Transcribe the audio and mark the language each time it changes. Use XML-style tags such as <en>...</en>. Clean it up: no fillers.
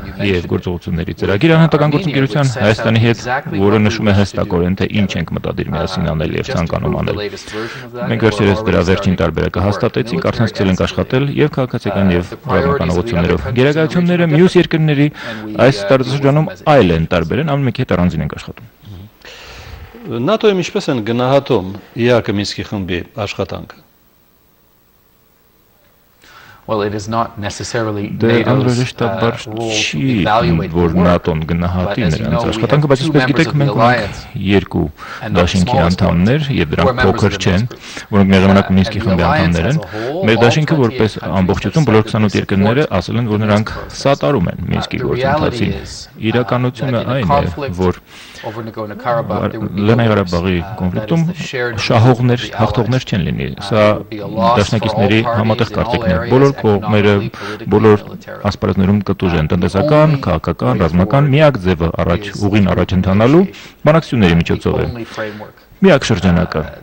<hy>և գործողությունների ծրագիր անհատական գործընկերության Հայաստանի հետ, որը նշում է հստակորեն, թե ինչ ենք մտադիր միասին անել և ցանկանում անել։ Մենք վերջերս դրա վերջին տարբերակը հաստատեցինք, արդեն սկսել ենք աշխատել և քաղաքացիական և ռազմական ուղղություններով։ Գերակայությունները մյուս երկրների այս տարածաշրջանում այլ են, տարբեր են, ամենի հետ առանձին ենք աշխատում։ ՆԱՏՕ-ը ինչպես են գնահատում ԵԱԿ-ի Մինսկի խմբի աշխատանքը։</hy> <en>Well, it is not necessarily NATO's role to evaluate the work, but as you know, we have two members of the alliance, and not the smallest part, who are members of the alliance as a whole.</en> <hy>Մեր դաշինքը որպես ամբողջություն բոլոր 28 երկրները ասել են, որ նրանք սատարում են Մինսկի գործընթացին։ Իրականությունը այն է, որ Լեռնային Ղարաբաղի կոնֆլիկտում շահողներ, հաղթողներ չեն լինի, սա դաշնակիցների համատեղ կարծիքն է։ Բոլոր կողմերը բոլոր ասպարեզներում կտուժեն, տնտեսական, քաղաքական, ռազմական, միակ ձևը առաջ ուղին առաջ ընթանալու բանակցությունների միջոցով է։ Միակ շրջանակը,</hy>